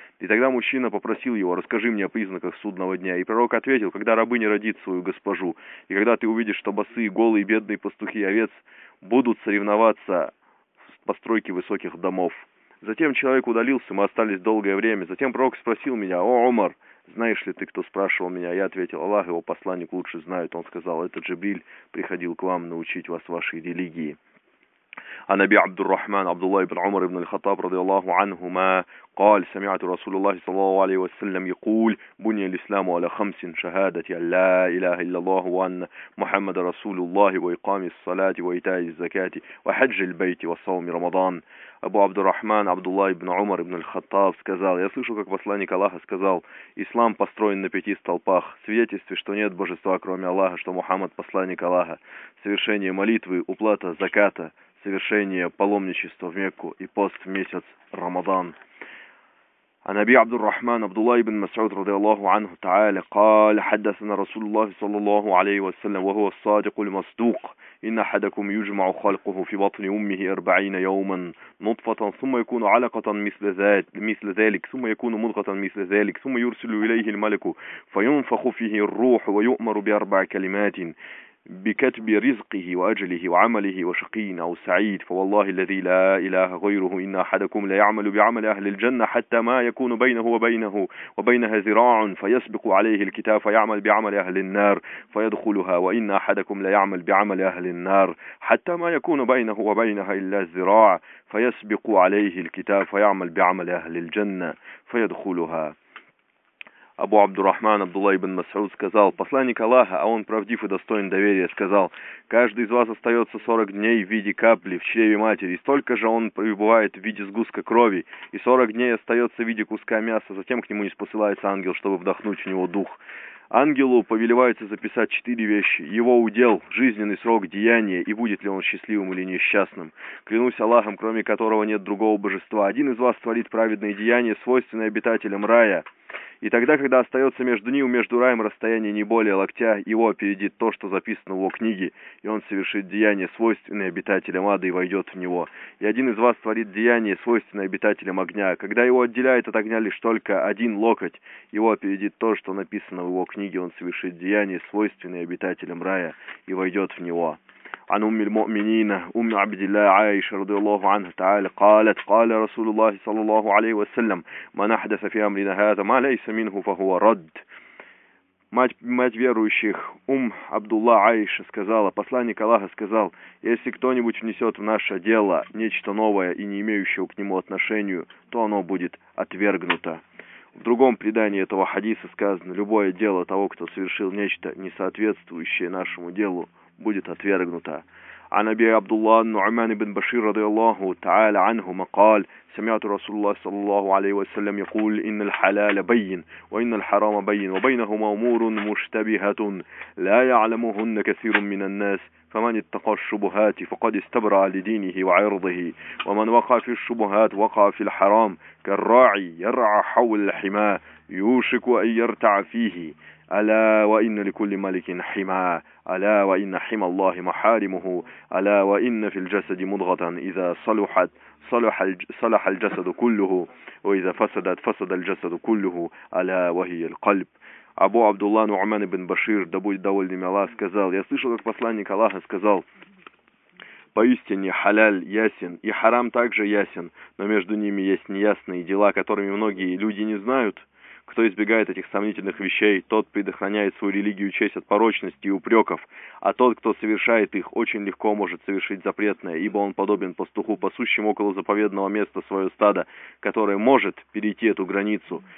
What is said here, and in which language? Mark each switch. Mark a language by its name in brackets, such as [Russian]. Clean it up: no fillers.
[Russian] И тогда мужчина попросил его: «Расскажи мне о признаках судного дня». И пророк ответил: «Когда рабыня родит свою госпожу, и когда ты увидишь, что босые, голые, бедные пастухи овец будут соревноваться постройки высоких домов». Затем человек удалился, мы остались долгое время. Затем пророк спросил меня: «О, Умар, знаешь ли ты, кто спрашивал меня?» Я ответил: «Аллах, его посланник лучше знает». Он сказал: «Это Джибриль приходил к вам научить вас вашей религии». [Arabic] عن أبي عبد الرحمن عبد الله بن عمر بن الخطاب رضي الله عنهما قال: سمعت رسول الله صلى الله عليه وسلم يقول: بني الإسلام على خمس: شهادة أن لا إله إلا الله وأن محمد رسول الله، وإقام الصلاة، وإيتاء الزكاة، وحج البيت، وصوم رمضان. [Russian] Абу Абдур-Рахман Абдуллах ибн Умар ибн аль-Хаттаб сказал: «Я слышал, как посланник Аллаха сказал: ислам построен на пяти столпах: свидетельстве, что нет божества, кроме Аллаха, что Мухаммад посланник Аллаха, совершение молитвы, уплата заката, совершение паломничества в Мекку и пост в месяц Рамадан». [Arabic] عن أبي عبد الرحمن عبد الله بن مسعود رضي الله عنه تعالى قال: حدثنا رسول الله صلى الله عليه وسلم وهو الصادق المصدوق: إن أحدكم يجمع خلقه في بطن أمه 40 يوما نطفة، ثم يكون علقة مثل ذلك، ثم يكون مضغة مثل ذلك، ثم يرسل إليه الملك فينفخ فيه الروح، ويؤمر ب4 كلمات: بكتب رزقه وأجله وعمله، وشقي أو سعيد. فوالله الذي لا إله غيره، إن أحدكم لا يعمل بعمل أهل الجنة حتى ما يكون بينه وبينه وبينها ذراع، فيسبق عليه الكتاب فيعمل بعمل أهل النار فيدخلها، وإن أحدكم لا يعمل بعمل أهل النار حتى ما يكون بينه وبينها إلا ذراع، فيسبق عليه الكتاب فيعمل بعمل أهل الجنة فيدخلها. [Russian] Абу Абдурахман Абдулла ибн Масауд сказал: «Посланник Аллаха, а он правдив и достоин доверия, сказал: каждый из вас остается 40 дней в виде капли в чреве матери, столько же он пребывает в виде сгустка крови, и 40 дней остается в виде куска мяса, затем к нему не спосылается ангел, чтобы вдохнуть в него дух». Ангелу повелевается записать 4 вещи. Его удел, жизненный срок, деяния и будет ли он счастливым или несчастным. Клянусь Аллахом, кроме которого нет другого божества, один из вас творит праведные деяния, свойственные обитателям рая. И тогда, когда остается между ним и между раем расстояние не более локтя, его опередит то, что записано в его книге, и он совершит деяния, свойственные обитателям ада, и войдет в него. И один из вас творит деяния, свойственные обитателям огня. Когда его отделяет от огня лишь только один локоть, его опередит то, что написано в его книге, он совершит деяния, свойственные обитателям рая, и войдет в него. [Arabic] عن أم المؤمنين أم عبد الله عائشة رضي الله عنها تعالى قالت: قال رسول الله صلى الله عليه وسلم: من أحدث في أمرنا هذا ما ليس منه فهو رد. [Russian] Мать верующих, Абдулла Аиша, сказала: посланник Аллаха сказал: если кто-нибудь внесет в наше дело нечто новое и не имеющее к нему отношения, то оно будет отвергнуто. В другом предании этого хадиса сказано: любое дело того, кто совершил нечто, не соответствующее нашему делу, будет отвергнута. [Arabic] عن أبي عبد الله النعمان بن بشير رضي الله تعالى عنهما قال: سمعت رسول الله صلى الله عليه وسلم يقول: إن الحلال بين وإن الحرام بين، وبينهما أمور مشتبهة لا يعلمهن كثير من الناس، فمن اتقى الشبهات فقد استبرأ لدينه وعرضه، ومن وقع في الشبهات وقع في الحرام، كالراعي يرعى حول الحمى يوشك أن يرتع فيه، ألا وإن لكل ملك حمى، ألا وإن حمى الله محارمه، ألا وإن في الجسد مضغة إذا صلحت صلح الجسد كله، وإذا فسدت فسد الجسد كله، ألا وهي القلب. [Russian] Абу Абдулла Нуъман ибн Башир, да будет довольным Аллах, сказал: я слышал, как посланник Аллаха сказал: поистине халяль ясен, и харам также ясен, но между ними есть неясные дела, которыми многие люди не знают. Кто избегает этих сомнительных вещей, тот предохраняет свою религию и честь от порочности и упреков, а тот, кто совершает их, очень легко может совершить запретное, ибо он подобен пастуху, пасущему около заповедного места свое стадо, которое может перейти эту границу.